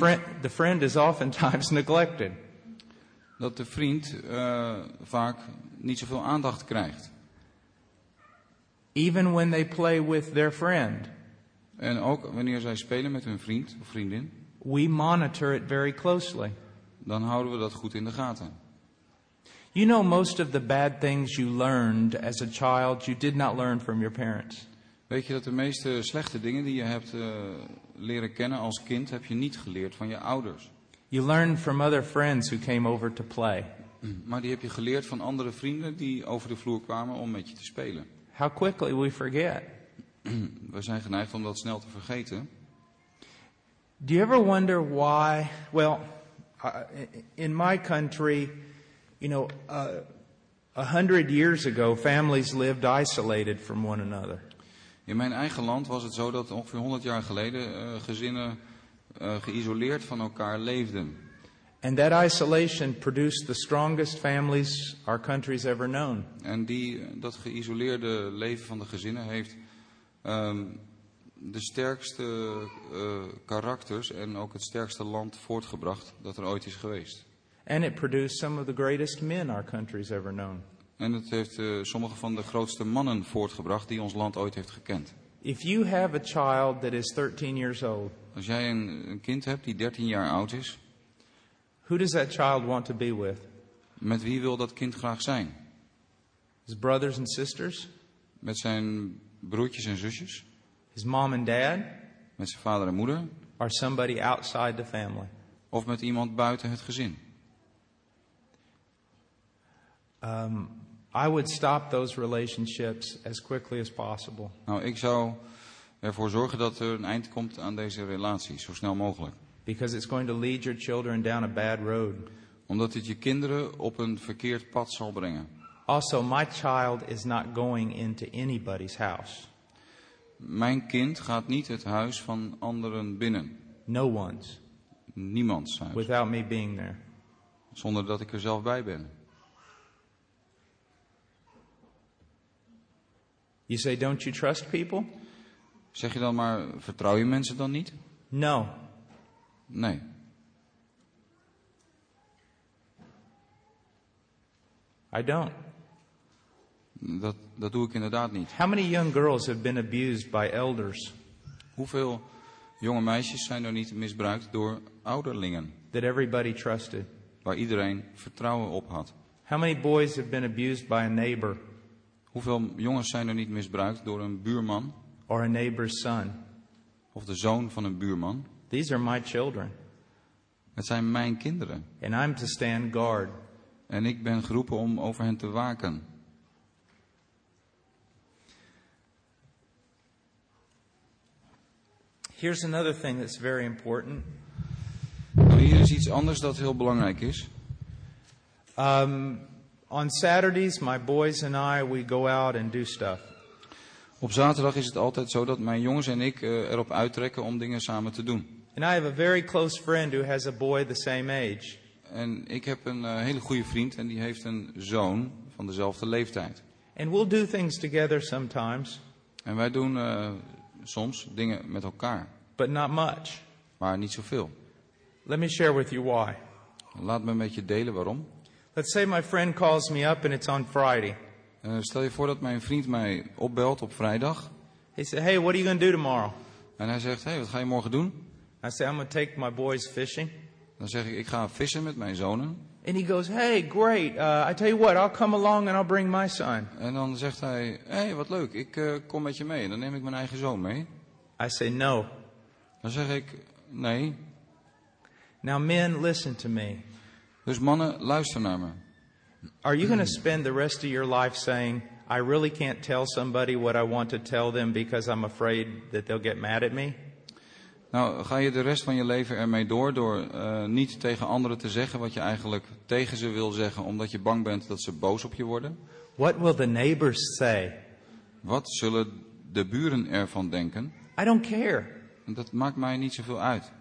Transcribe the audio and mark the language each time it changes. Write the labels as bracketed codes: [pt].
[en] That the friend is oftentimes neglected. [nl] Dat de vriend vaak niet zoveel aandacht krijgt. [en] Even when they play with their friend. [nl] En ook wanneer zij spelen met hun vriend of vriendin. [en] We monitor it very closely. [nl] Dan houden we dat goed in de gaten. [en] You know, most of the bad things you learned as a child, you did not learn from your parents. [nl] Weet je dat de meeste slechte dingen die je hebt leren kennen als kind, heb je niet geleerd van je ouders. [en] You learned from other friends who came over to play. [nl] Maar die heb je geleerd van andere vrienden die over de vloer kwamen om met je te spelen. [en] How quickly we forget. [nl] We zijn geneigd om dat snel te vergeten. [en] Do you ever wonder why? Well, in my country, you know, 100 years ago, families lived isolated from one another. [nl] In mijn eigen land was het zo dat ongeveer 100 jaar geleden gezinnen geïsoleerd van elkaar leefden. [en] And that isolation produced the strongest families our country's ever known. [nl] En dat geïsoleerde leven van de gezinnen heeft de sterkste karakters en ook het sterkste land voortgebracht dat er ooit is geweest. [en] And it produced some of the greatest men our country's ever known. [nl] En het heeft sommige van de grootste mannen voortgebracht die ons land ooit heeft gekend. [en] If you have a child that is 13 years old. [nl] Als jij een kind hebt die 13 jaar oud is. [en] Who does that child want to be with? [nl] Met wie wil dat kind graag zijn? [en] His brothers and sisters? [nl] Met zijn broertjes en zusjes? [en] His mom and dad? [nl] Met zijn vader en moeder? [en] Or somebody outside the family? [nl] Of met iemand buiten het gezin? [en] I would stop those relationships as quickly as possible. [nl] Nou, ik zou ervoor zorgen dat er een eind komt aan deze relatie, zo snel mogelijk. [en] Because it's going to lead your children down a bad road. [nl] Omdat het je kinderen op een verkeerd pad zal brengen. [en] Also, my child is not going into anybody's house. [nl] Mijn kind gaat niet het huis van anderen binnen. [en] No one's. [nl] Niemands huis. [en] Without me being there. [nl] Zonder dat ik er zelf bij ben. [en] You say, don't you trust people? [nl] Zeg je dan maar, vertrouw je mensen dan niet? [en] No. [nl] Nee. [en] I don't. [nl] Dat doe ik inderdaad niet. [en] How many young girls have been abused by elders? [nl] Hoeveel jonge meisjes zijn er niet misbruikt door ouderlingen? [en] That everybody trusted. [nl] Waar iedereen vertrouwen op had. [en] How many boys have been abused by a neighbor? [nl] Hoeveel jongens zijn er niet misbruikt door een buurman? [en] Or a neighbor's son? [nl] Of de zoon van een buurman? [en] These are my children. [nl] Het zijn mijn kinderen. [en] And I'm to stand guard. [nl] En ik ben geroepen om over hen te waken. [en] Here's another thing that's very important. [nl] Hier is iets anders dat heel belangrijk is. [en] On Saturdays, my boys and I, we go out and do stuff. [nl] Op zaterdag is het altijd zo dat mijn jongens en ik erop uittrekken om dingen samen te doen. [en] And I have a very close friend who has a boy the same age. [nl] En ik heb een hele goede vriend en die heeft een zoon van dezelfde leeftijd. [en] And we'll do things together sometimes. [nl] En wij doen soms dingen met elkaar. [en] But not much. [nl] Maar niet zoveel. [en] Let me share with you why. [nl] Laat me met je delen waarom. [en] Let's say my friend calls me up and it's on Friday. [nl] Stel je voor dat mijn vriend mij opbelt op vrijdag. [en] He said, "Hey, what are you going to do tomorrow?" [nl] En hij zegt, "Hey, wat ga je morgen doen?" [en] I say, "I'm going to take my boys fishing." [nl] Dan zeg ik, "Ik ga vissen met mijn zonen." [en] And he goes, "Hey, great. I tell you what, I'll come along and I'll bring my son." [nl] En dan zegt hij, "Hey, wat leuk. Ik kom met je mee. Dan neem ik mijn eigen zoon mee." [en] I say, "No." [nl] Dan zeg ik, "Nee." [en] Now, men, listen to me. [nl] Dus mannen, luister naar me. [en] Are you going to spend the rest of your life saying, "I really can't tell somebody what I want to tell them because I'm afraid that they'll get mad at me"? [nl] Nou, ga je de rest van je leven ermee door niet tegen anderen te zeggen wat je eigenlijk tegen ze wil zeggen, omdat je bang bent dat ze boos op je worden? [en] What will the neighbors say? [nl] Wat zullen de buren ervan denken? [en] I don't care. [nl] Dat maakt mij niet zoveel uit.